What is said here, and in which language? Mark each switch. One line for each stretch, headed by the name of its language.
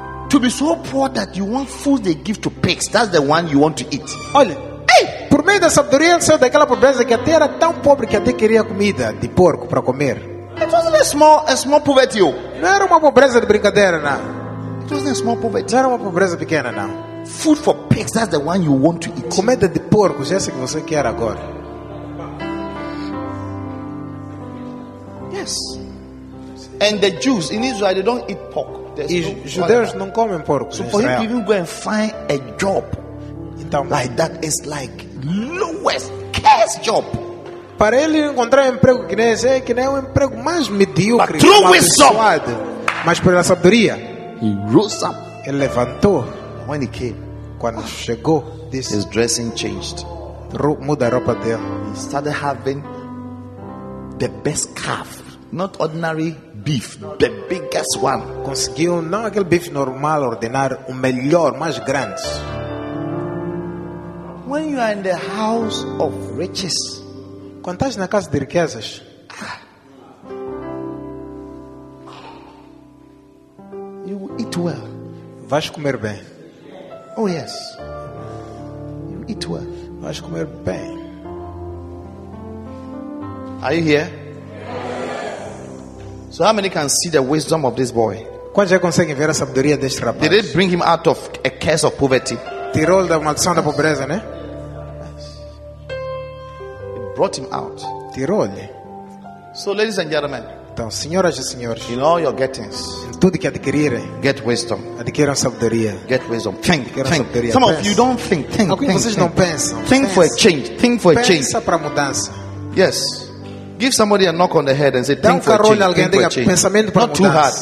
English: To be so poor that you want food they give to pigs. That's the one you want to eat.
Portuguese: Olha. Por meio da sabedoria ele saiu daquela pobreza que até era tão pobre que até queria comida de porco para comer.
English: It wasn't a small poverty.
Portuguese: Não era uma pobreza de brincadeira, não.
English: It wasn't a small poverty.
Portuguese: Não era uma pobreza pequena, não.
English: Food for pigs, that's the one you want to eat.
Portuguese: Comida de porco, é essa que você quer agora.
English: Yes. And the Jews in Israel, they don't eat pork.
Portuguese: Os judeus não comem porco.
English: So for him to even go and find a job like that is like lowest caste job.
Portuguese: Para ele encontrar um emprego que nem esse, que nem um emprego mais medíocre.
English: True wisdom.
Portuguese: Mas pela sabedoria.
English: He rose up.
Portuguese: Ele levantou.
English: When he came,
Portuguese: quando chegou, this
English: his dressing changed.
Portuguese: Muda a roupa dele.
English: He started having the best calf, not ordinary beef, the biggest one.
Portuguese: Conseguiu não aquele bife normal ordinário, o melhor, mais grande.
English: When you are in the house of riches,
Portuguese: quando estás na casa de riquezas,
English: you will eat well.
Portuguese: Vais comer bem.
English: Oh yes. You eat well.
Portuguese: Vais comer bem.
English: Are you here? So how many can see the wisdom of this boy?
Portuguese: Quantos já conseguem ver a sabedoria deste rapaz?
English: Did it bring him out of a curse of poverty?
Portuguese: Tirou-lhe da maldição da pobreza, né?
English: Brought him out.
Portuguese: Tirou-lhe.
English: So, ladies and gentlemen.
Portuguese: Então, senhoras e senhores.
English: In all your gettings.
Portuguese: Em tudo que adquirirem.
English: Get wisdom.
Portuguese: Adquiram sabedoria.
English: Get wisdom. Think. Think.
Portuguese: Sabedoria.
English: Some of you don't think. Think.
Portuguese: Alguns vocês não pensam.
English: Think for a change. Think for a change.
Portuguese: Pensa para mudança.
English: Yes. Give somebody a knock on the head and say, think for a change.
Portuguese: Dá um carol a alguém, diga, pensamento para mudança.